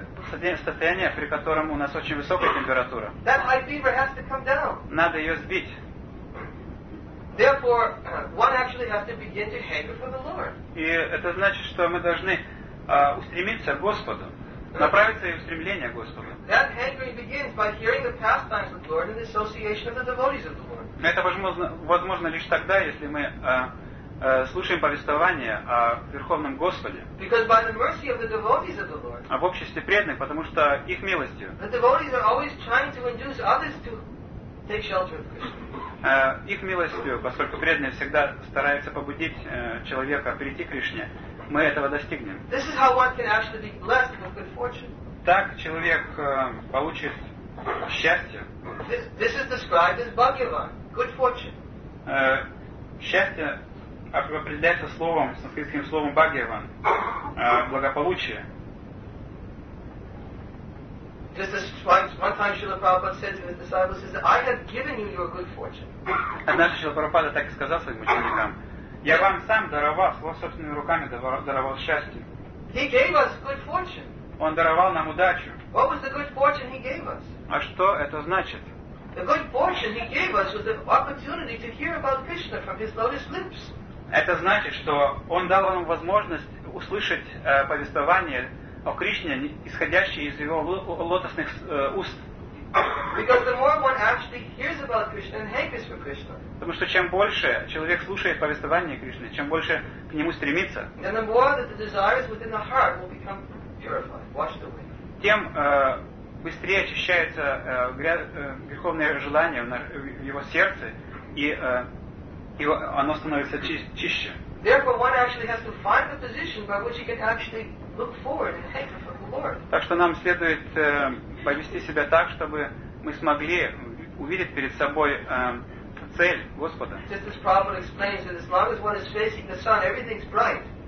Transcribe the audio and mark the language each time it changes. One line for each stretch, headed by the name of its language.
Russian: состояние, при котором у нас очень высокая температура.
English: That high fever has to come down.
Russian: Надо ее сбить.
English: Therefore, one actually has to begin to hanker for the Lord.
Russian: И это значит, что мы должны устремиться к Господу, направить свои устремления к Господу.
English: That hankering begins by hearing the pastimes of the Lord and the association of the devotees of the Lord.
Russian: Это возможно лишь тогда, если мы слушаем повествование о Верховном Господе,
English: because by the mercy of the devotees of the Lord,
Russian: об обществе преданных, потому что их милостью.
English: The devotees are always trying to induce others to take shelter of Krishna.
Russian: Их милостью, поскольку преданные всегда стараются побудить человека прийти к Кришне, мы этого достигнем.
English: This is how one can actually be blessed with good fortune.
Russian: Так человек получит счастье.
English: This is described as Bhagyavan, good fortune.
Russian: Счастье определяется словом, санскритским словом Bhagyavan, благополучие.
English: Just as one time Srila Prabhupada said to his disciples, says, I have given you your good fortune.
Russian: Однажды Шрила Прабхупада так и сказал своим ученикам, я вам сам даровал, своими собственными руками даровал счастье.
English: He gave us good fortune.
Russian: Он даровал нам удачу.
English: What was the good fortune he gave us?
Russian: А что это значит?
English: The good fortune he gave us was the opportunity to hear about Krishna from his lotus lips.
Russian: Это значит, что он дал нам возможность услышать повествование о Кришне, исходящее из его лотосных уст.
English: Because the more one actually hears about Krishna and hankers for Krishna.
Russian: Потому что чем больше человек слушает повествование Кришны, чем больше к нему стремится,
English: then the more that the desires within the heart will become purified, washed away.
Russian: Тем быстрее очищаются греховные желания в его сердце, и оно становится чище.
English: Therefore, one actually has to find the position by which he can actually look forward and hanker for the Lord.
Russian: Так что нам следует повести себя так, чтобы мы смогли увидеть перед собой цель Господа.
English: Just as Prabhupada explains, that as long as one is facing the sun, everything's bright.